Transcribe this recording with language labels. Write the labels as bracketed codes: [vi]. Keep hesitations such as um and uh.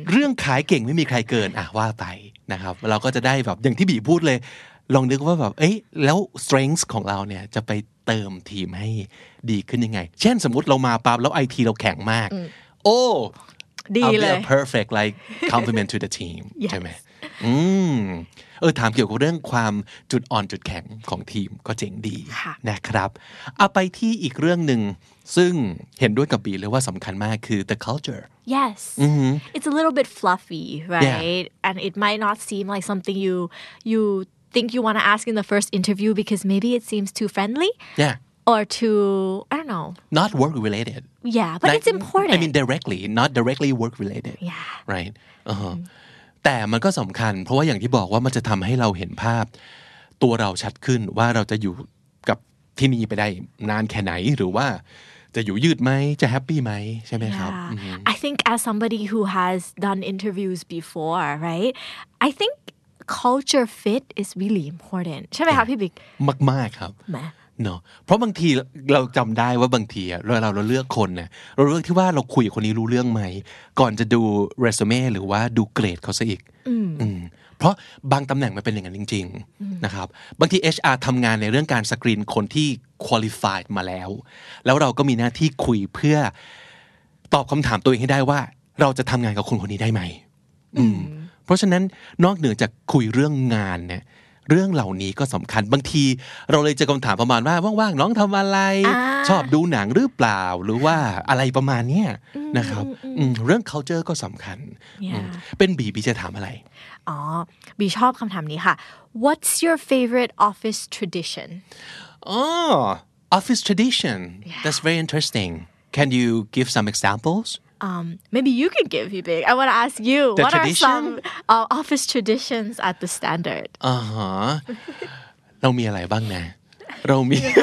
[th] เรื่องขายเก่งไม่มีใครเกินอ่ะว่าไปนะครับเราก็จะได้แบบอย่างที่บีพูดเลยลองนึกว่าแบบเอ้แล้ว [en] strength [th] ของเราเนี่ยจะไปเติมทีมให้ดีขึ้นยังไง เช่นสมมติเรามาปั๊บแล้วไอทีเราแข็งมากโอ้ oh, ดีเลย [en] perfect like compliment to the team [th] ใช่ไหมอืมเออ ถามเกี่ยวกับเรื่องความจุดอ่อนจุดแข็งของทีมก็เจ๋งดีนะครับ เอาไปที่อีกเรื่องหนึ่งซึ่งเห็นด้วยกับปีเลยว่าสำคัญมากคือ [en] the culture yes it's a little bit fluffy right a and it might not seem like something you you think you want to ask in the first interview because maybe it seems too friendly yeah or to I don't know. Not work related. Yeah, but not, it's important. I mean directly, not directly work related. Yeah. Right. Uh huh. Mm. [th] แต่มันก็สำคัญ เพราะว่าอย่างที่บอกว่ามันจะทำให้เราเห็นภาพ ตัวเราชัดขึ้นว่าเราจะอยู่กับที่นี่ไปได้ นานแค่ไหน หรือว่าจะอยู่ยืดไหมจะแฮปปี้ไหมใช่ไหมครับ [en] I think as somebody who has done interviews before right I think culture fit is really important [th] ใช่ไหมครับพี่บิ๊ก มาก ๆ ครับเนาะเพราะบางทีเราจําได้ว่าบางทีเราเราเลือกคนเนี่ยเราเลือกที่ว่าเราคุยกับคนนี้รู้เรื่องไหมก่อนจะดูเรซูเม่หรือว่าดูเกรดเขาซะอีกอืม เพราะบางตำแหน่งมันเป็นอย่างนั้นจริง ๆ นะครับ บางทีเออชาร์ทำงานในเรื่องการสกรีนคนที่คุ a l i f i มาแล้ว แล้วเราก็มีหน้าที่คุยเพื่อตอบคำถามตัวเองให้ได้ว่า เราจะทำงานกับคนคนนี้ได้ไหม เพราะฉะนั้นนอกเหนือจากคุยเรื่องงานเนี่ยเรื่องเหล่านี้ก็สําคัญบางที เราเลยจะคำถามประมาณว่าว่างๆน้องทําอะไรอชอบดูหนังหรือเปล่าหรือว่าอะไรประมาณเนี้นะครับเรื่อง culture ก็สําคัญเป็นบีบีจะถามอะไร อ๋อบีชอบคําถามนี้ค่ะ [en] what's your favorite office tradition oh office tradition that's very interesting can you give some examples Um, maybe you can give me big. I want to ask you the what tradition? are some uh, office traditions at the standard. [th] Uh huh. Romi alai bang na. Romi.